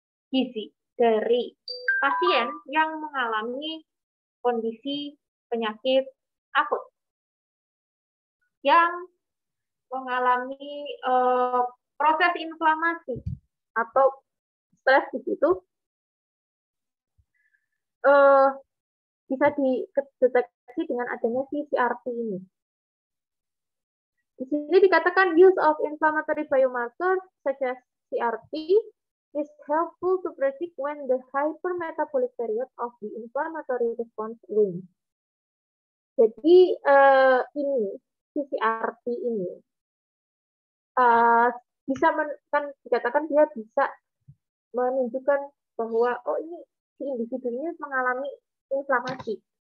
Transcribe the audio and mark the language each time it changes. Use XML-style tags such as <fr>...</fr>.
<id>gizi dari pasien yang mengalami kondisi penyakit akut yang mengalami proses inflamasi atau stres di situ bisa dideteksi dengan adanya CRP ini. Di sini dikatakan</id> <en>use of inflammatory biomarker such as CRP is helpful to predict when the hypermetabolic period of the inflammatory response wanes.</en> <id>Jadi ini CRP ini bisa kan dikatakan dia bisa menunjukkan bahwa oh ini si individu ini mengalami inflamasi.</id>